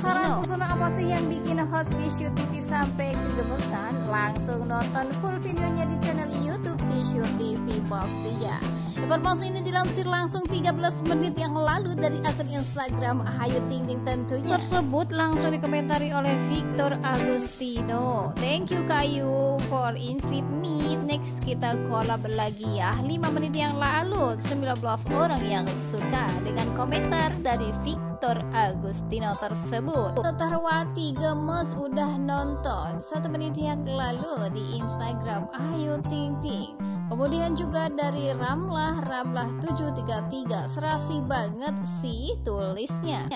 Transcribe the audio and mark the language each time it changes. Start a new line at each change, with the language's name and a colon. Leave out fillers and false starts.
Indonesian: Saran pesona apa sih yang bikin host Kishu TV sampai kegemesan? Langsung nonton full videonya di channel YouTube Kishu TV pasti ya. Informasi ini dilansir langsung 13 menit yang lalu dari akun Instagram Ayu Ting Ting tentunya. Tersebut langsung dikomentari oleh Victor Agustino.
English: Thank you Kayu for invite me. Next
Indonesian: kita collab lagi ya. 5 menit yang lalu 19 orang yang suka dengan komentar dari Victor Agustino tersebut. Tetarwati gemes udah nonton 1 menit yang lalu di Instagram Ayu Ting Ting. Kemudian juga dari Ramlah 733, serasi banget sih tulisnya.